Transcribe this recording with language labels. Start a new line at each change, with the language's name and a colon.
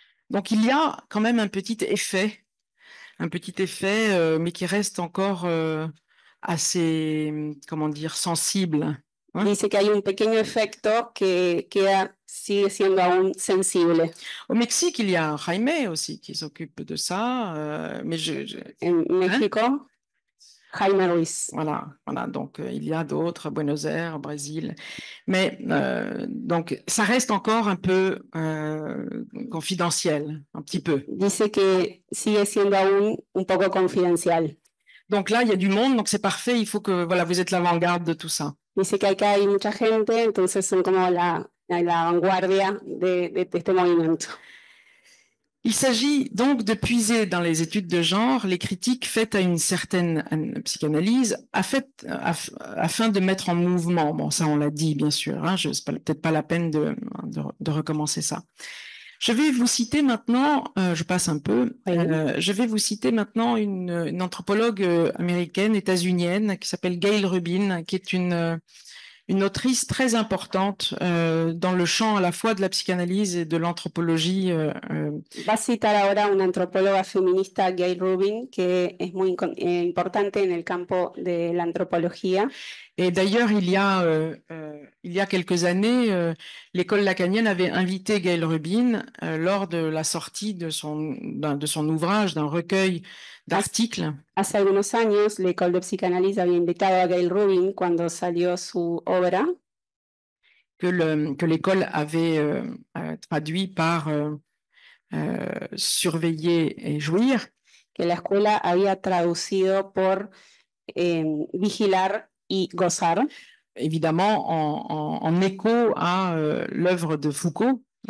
French: Donc il y a quand même un petit effet, mais qui reste encore assez, comment dire, sensible. Hein?
Spanish: Dice que hay un pequeño efecto que queda, sigue siendo aún sensible.
French: Au Mexique, il y a Jaime aussi qui s'occupe de ça.
Spanish: En México, hein? Jaime Ruiz.
French: Voilà. Donc, il y a d'autres, Buenos Aires, Brésil. Mais donc, ça reste encore un peu confidentiel, un petit peu.
Spanish: Dice que sigue siendo aún un poco confidencial.
French: Donc là, il y a du monde, donc c'est parfait. Il faut que voilà, vous êtes l'avant-garde de tout ça.
Spanish: Dice que acá hay mucha gente, entonces son como la vanguardia de este movimiento.
French: Il s'agit donc de puiser dans les études de genre les critiques faites à une certaine psychanalyse afin de mettre en mouvement. Bon, ça, on l'a dit, bien sûr, hein, ce n'est peut-être pas la peine de recommencer ça. Je vais vous citer maintenant, je passe un peu, je vais vous citer maintenant une anthropologue américaine, états-unienne, qui s'appelle Gail Rubin, qui est une autrice très importante dans le champ à la fois de la psychanalyse et de l'anthropologie.
Spanish: Va citar ahora una antropóloga feminista, Gail Rubin, que es muy importante en el campo de la antropología.
French: Et d'ailleurs, il y a quelques années, l'école lacanienne avait invité Gail Rubin lors de la sortie de son ouvrage, d'un recueil d'articles.
Spanish: Hace algunos años,
French: l'école de psychanalyse avait
Spanish: invitado a Gail Rubin cuando salió su obra.
French: Que l'école avait traduit par surveiller et jouir.
Spanish: Que la escuela había traducido por vigilar y gozar.
French: Évidemment, en écho à l'œuvre de Foucault.